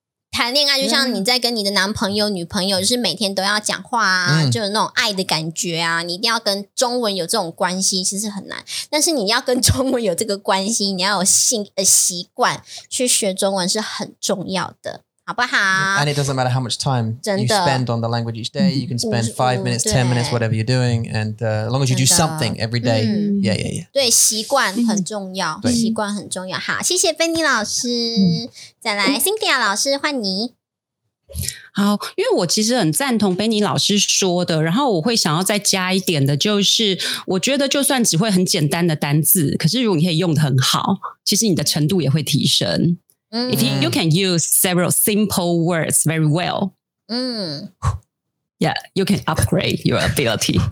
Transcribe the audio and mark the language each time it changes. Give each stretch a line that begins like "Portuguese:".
Chinese: 谈恋爱就像你在跟你的男朋友、女朋友，就是每天都要讲话啊，就有那种爱的感觉啊。你一定要跟中文有这种关系，其实很难。但是你要跟中文有这个关系，你要有习惯去学中文是很重要的，好不好？
English: And it doesn't matter how much time you spend on the language each day. You can spend 5 minutes, 10 minutes, whatever you're doing, and as long as you do something every day, yeah, yeah, yeah.
Chinese: 对，习惯很重要，习惯很重要。好，谢谢贝妮老师。再来 ，Cynthia 老师，换你。好，因为我其实很赞同贝妮老师说的，然后我会想要再加一点的，就是我觉得就算只会很简单的单字，可是如果你可以用得很好，其实你的程度也会提升。 Mm.
English: If you can use several simple words very well, yeah, you can upgrade your ability.